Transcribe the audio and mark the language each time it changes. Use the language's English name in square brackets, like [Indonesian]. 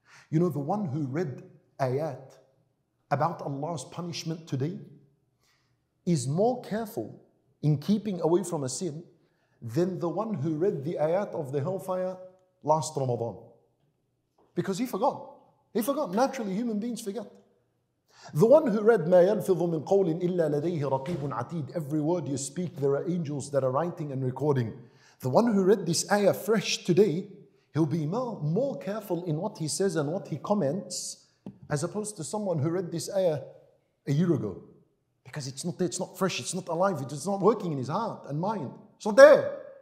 [English] You know, the one who read ayat about Allah's punishment today is more careful in keeping away from a sin than the one who read the ayat of the hellfire last Ramadan. Because he forgot. Naturally, human beings forget. The one who read [Arabic] مَا يَنْفِضُ مِنْ قَوْلٍ إِلَّا لَدَيْهِ رَقِيبٌ عَتِيدٌ. [English] Every word you speak, there are angels that are writing and recording. The one who read this ayah fresh today, he'll be more careful in what he says and what he comments, as opposed to someone who read this ayah a year ago. Because it's not there, it's not fresh, it's not alive, it's not working in his heart and mind. It's not there.